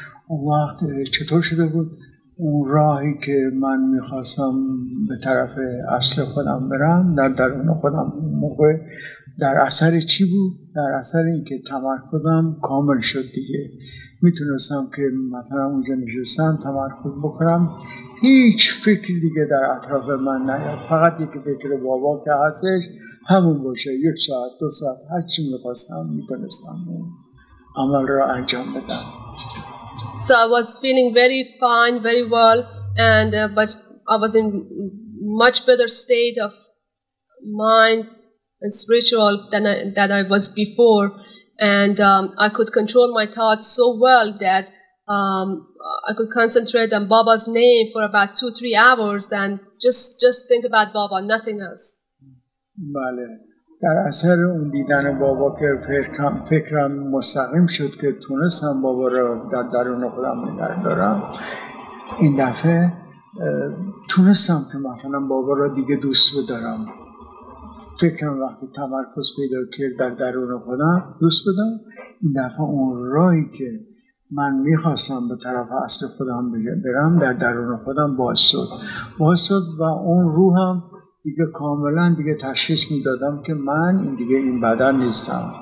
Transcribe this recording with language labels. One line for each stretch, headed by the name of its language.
Persian: اون وقت چطور شده بود اون راهی که من می خواستم به طرف اصل خودم برم در درون خودم اون موقع در اثر چی بود؟ در اثر اینکه تمرکزم کامل شد دیگه میتونستم که مثلا اونجا نشستم تمرکز بکنم هیچ فکر دیگه در اطراف من نیاد فقط یک فکر بابا که هستش همون باشه یک ساعت دو ساعت هر چی میخواستم میتونستم عمل را انجام بدم.
English: So I was feeling very fine, very well, and but I was in much better state of mind and spiritual than I was before. And I could control my thoughts so well that I could concentrate on Baba's name for about 2-3 hours and just think about Baba, nothing else.
Persian: بله. در اثر اون دیدن بابا که فکرم مستقیم شد که تونستم بابا را در درون خودم نگهدارم این دفعه تونستم که مثلا بابا را دیگه دوست بدارم. فکرم وقتی تمرکز پیدا کرد در درون خودم دوست بدم این دفعه اون راهی که من میخواستم به طرف اصل خودم برم در درون خودم باز شد و اون روحم دیگه کاملا دیگه تشخیص میدادم که من این دیگه این بدن نیستم.